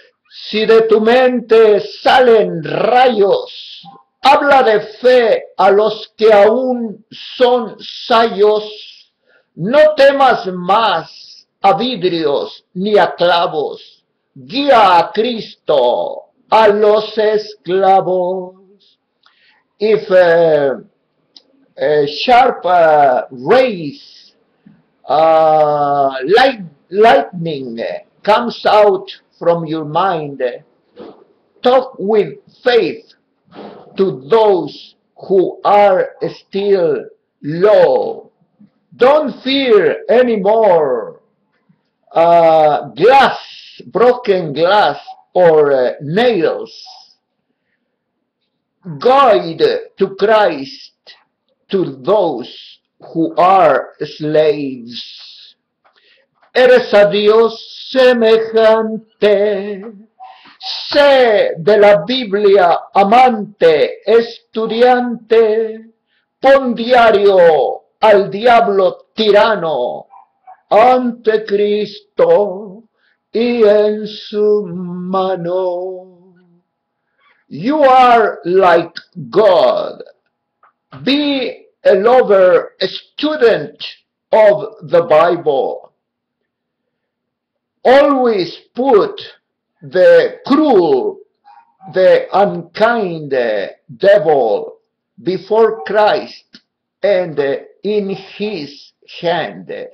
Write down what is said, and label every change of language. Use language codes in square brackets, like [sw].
[es] Si de tu mente salen rayos, habla de fe a los que aún son sayos. No temas más a vidrios ni a clavos, guía a Cristo a los esclavos. [en] If a sharp rays, lightning comes out from your mind, talk with faith to those who are still low. Don't fear anymore. Glass, broken glass or nails. Guide to Christ to those who are slaves. [es] Eres a Dios semejante. Sé de la Biblia amante, estudiante. Pon diario al diablo tirano ante Cristo y en su mano. [en] You are like God. Be a lover, a student of the Bible. Always put the cruel, the unkind devil before Christ and in his hand.